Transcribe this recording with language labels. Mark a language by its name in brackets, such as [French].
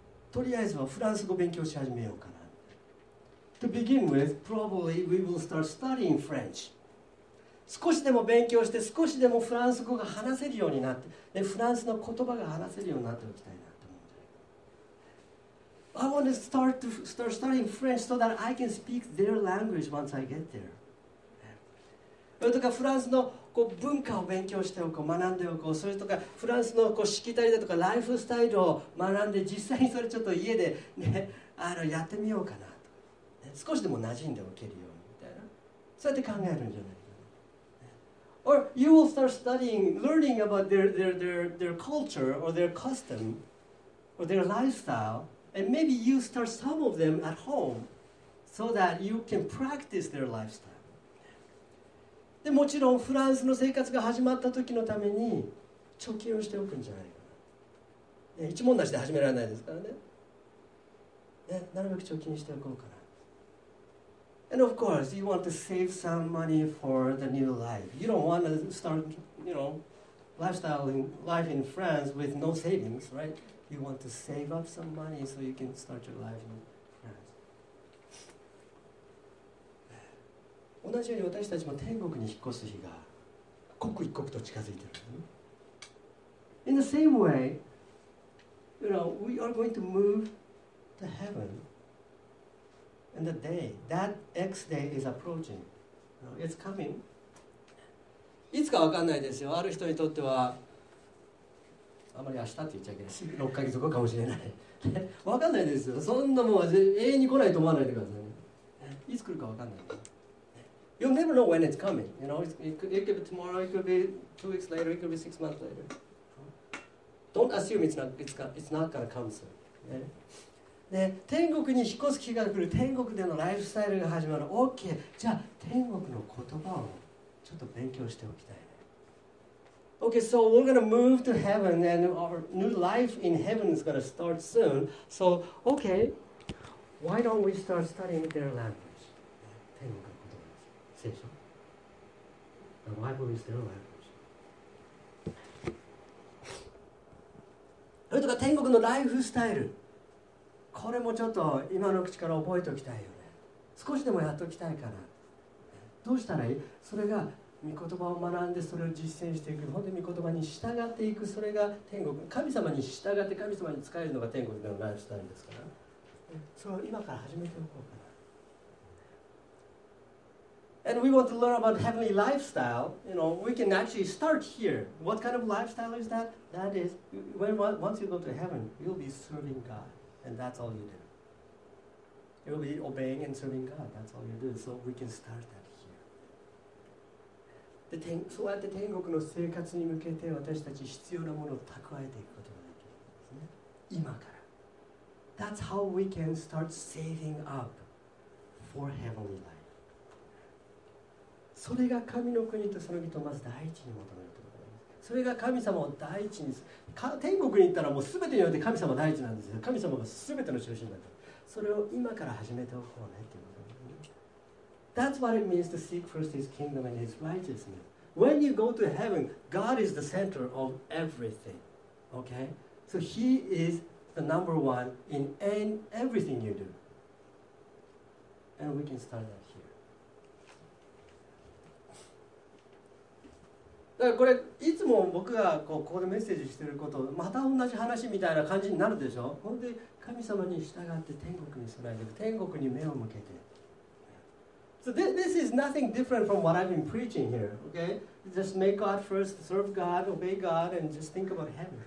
[Japanese] とりあえずはフランス語勉強し始めようかな。 [English] To begin with, probably we will start studying French. [Japanese] 少しでも勉強して、少しでもフランス語が話せるようになって、でフランスの言葉が話せるようになっておきたいなと思うんじゃない。 [English] I want to start studying French so that I can speak their language once I get there. [Japanese] それとかフランスのこう文化を勉強しておこう、学んでおこう、それとかフランスのこうしきたりだとかライフスタイルを学んで、実際にそれちょっと家で、ね、やってみようかなと、ね、少しでも馴染んでおけるようにみたいな、そうやって考えるんじゃない。 [English] Or you will start studying, learning about their culture or their custom or their lifestyle, and maybe you start some of them at home so that you can practice their lifestyle. [Japanese] で、もちろんフランスの生活が始まった時のために貯金をしておくんじゃないかな。ね、一文なしで始められないですからね。ね、なるべく貯金しておこうかな。 [English] And of course, you want to save some money for the new life. You don't want to start, you know, life in France with no savings, right? You want to save up some money so you can start your life in France. [Japanese] 同じように私たちも天国に引っ越す日が刻一刻と近づいてる。 [English] In the same way, you know, we are going to move to heaven. And the day, that X day is approaching. It's coming. [Japanese] いつか分かんないですよ。ある人にとっては、あまり明日って言っちゃいけないし、6ヶ月後かもしれない。分かんないですよ。そんなもんは永遠に来ないと思わないでくださいね。いつ来るか分かんない。 [English] You'll never know when it's coming. You know, it could be tomorrow, it could be 2 weeks later, it could be 6 months later. Don't assume it's not gonna come soon.、Yeah. [Japanese] で天国に引っ越す気が来る、天国でのライフスタイルが始まる、 OK、 じゃあ天国の言葉をちょっと勉強しておきたい。 [English] OK, so we're going to move to heaven and our new life in heaven is going to start soon. So, OK, why don't we start studying their language? [Japanese] 天国の言葉です。聖書。 [English] The Bible is their language. [Japanese] それとか天国のライフスタイル、これもちょっと今の口から覚えておきたいよね。少しでもやっておきたいかな。どうしたらいい？それが御言葉を学んでそれを実践していく。本当に御言葉に従っていく。それが天国。神様に従って神様に仕えるのが天国でのライフスタイルですから。それを今から始めておこうかな。 [English] And we want to learn about heavenly lifestyle. You know, we can actually start here. What kind of lifestyle is that? That is, once you go to heaven, you'll be serving God. And that's all you do. You'll be obeying and serving God. That's all you do. So we can start that here. [Japanese] で、そうやって天国の生活に向けて私たち必要なものを蓄えていくことができるんですね。今から。 [English] That's how we can start saving up for heavenly life. [Japanese] それが神の国とその人をまず第一に求めるということです。それが神様を第一にする。天国に行ったらもう全てにおいて神様第一なんですよ。神様が全ての中心だと。それを今から始めておこうねということ。 [English] That's what it means to seek first His kingdom and His righteousness. When you go to heaven, God is the center of everything. Okay? So He is the number one in everything you do. And we can start that here. [Japanese] だからこれ、いつも僕がここでメッセージしてること、また同じ話みたいな感じになるでしょ？本当に神様に従って天国に備えて、天国に目を向けて。 [English] So this is nothing different from what I've been preaching here, okay? Just make God first, serve God, obey God, and just think about heaven.